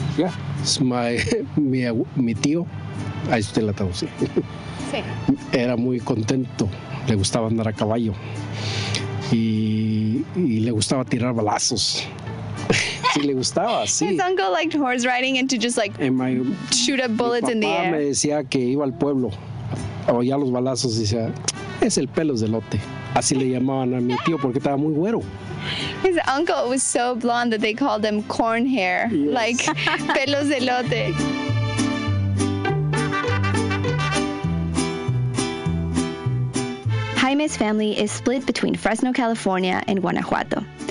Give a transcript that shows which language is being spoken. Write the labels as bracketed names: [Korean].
[English] Yeah. It's [Spanish] mi tío, ahí usted la traduce. Sí. Era muy contento. Le gustaba andar a caballo. Y le gustaba tirar balazos. Sí, le gustaba, sí. [English] His uncle liked horse riding and to just like shoot up bullets in the air. [Spanish] Mi papá me decía que iba al pueblo. Oía los balazos y decía, es el pelo de elote. Así le llamaban a mi tío porque estaba muy güero. [English] His uncle was so blonde that they called him corn hair. Yes. [Spanish] Like pelos de elote. [English] Jaime's family is split between Fresno, California, and Guanajuato.